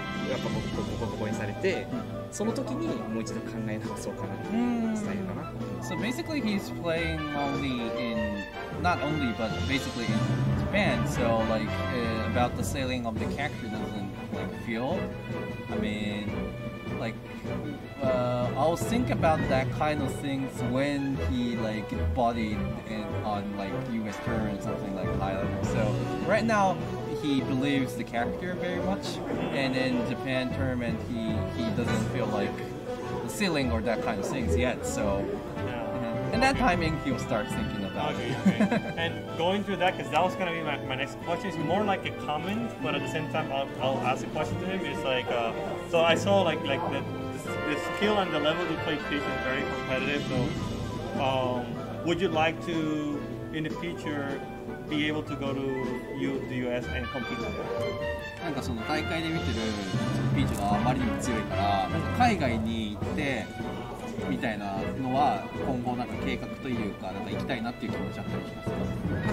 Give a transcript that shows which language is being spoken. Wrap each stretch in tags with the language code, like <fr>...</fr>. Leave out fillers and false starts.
<ja>やっぱボコボコボコにされて、うん、その時にもう一度考え直そうかなっていうスタイルかな。</ja> <en>So basically he's playing only in, not only, but basically in Japan. So like, about the sailing of the character doesn't like feel, I mean, like, I'll think about that kind of things when he like bodied in, on like US tour or something like high level. So right now he believes the character very much, and in Japan tournament he doesn't feel like the ceiling or that kind of things yet. So in that timing he'll start thinking about it. And going through that, because that was going to be my next question, is more like a comment, but at the same time I'll ask a question to him. It's like, so I saw like the skill and the level you play fish is very competitive, so would you like to in the future be able to go to the US and compete there?</en> <ja>なんかその大会で見てるピーチがあまりにも強いから、海外に行ってみたいなのは今後なんか計画というか、なんか行きたいなっていう気持ちあったりしますか？</ja>